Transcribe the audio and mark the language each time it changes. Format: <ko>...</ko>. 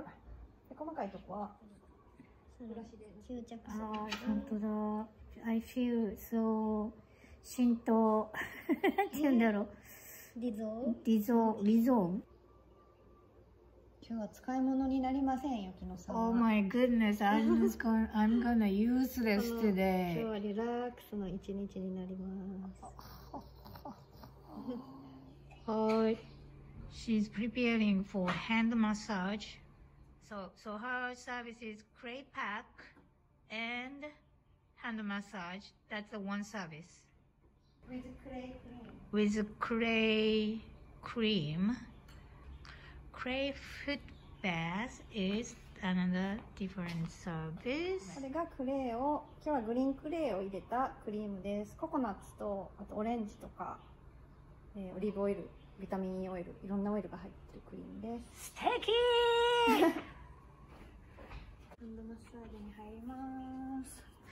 <ja>で、細かいとこはブラシで吸着する。 本当だ。</ja> <en>I feel so</en> <ja>浸透なんて言うんだろう、リゾーン、リゾーン、リゾーン。今日は使い物になりませんよ、きのさんは。</ja> <en>Oh my goodness, I'm gonna useless today.</en> <ja>今日はリラックスの一日になります。はい。</ja> <en>She's preparing for hand massage. So her service is clay pack and hand massage. That's the one service. With clay cream. Clay foot bath is another different service.</en> <ja>これがクレイを、今日はグリーンクレイを入れたクリームです。ココナッツと、あとオレンジとか、オリーブオイル、ビタミンオイル、いろんなオイルが入ってるクリームです。素敵ーハンドマッサージに入ります。</ja>